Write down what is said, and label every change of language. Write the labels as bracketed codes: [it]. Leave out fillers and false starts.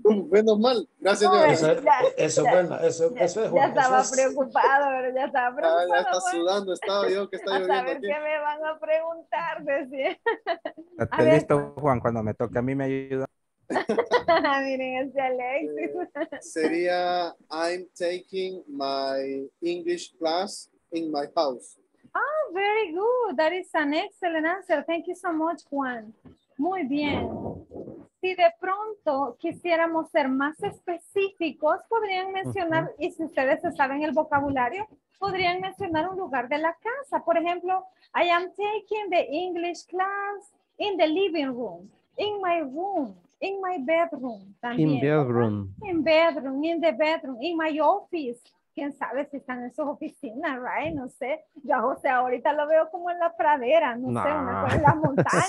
[es] Menos mal, gracias. No, eso es bueno. Ya estaba preocupado, pero ya estaba preocupado. Ya está sudando, estaba yo que está lloviendo. A ver qué me van a preguntar, decía. ¿Sí? Te he visto, Juan, cuando me toque a mí me ayuda. Miren ese Alexis. [en] Sería, I'm taking my English class in my house. Oh, very good. That is an excellent answer. Thank you so much, Juan. [es] Muy bien. Si de pronto quisiéramos ser más específicos, podrían mencionar, y si ustedes saben el vocabulario, podrían mencionar un lugar de la casa. Por ejemplo, [en] I am taking the English class in the living room, in my room, in my bedroom. [es] También. [en] In bedroom. In bedroom, in the bedroom, in my office. [es] ¿Quién sabe si están en sus oficinas, right? No sé. Ya, o sea, ahorita lo veo como en la pradera, sé, una cosa en las montañas.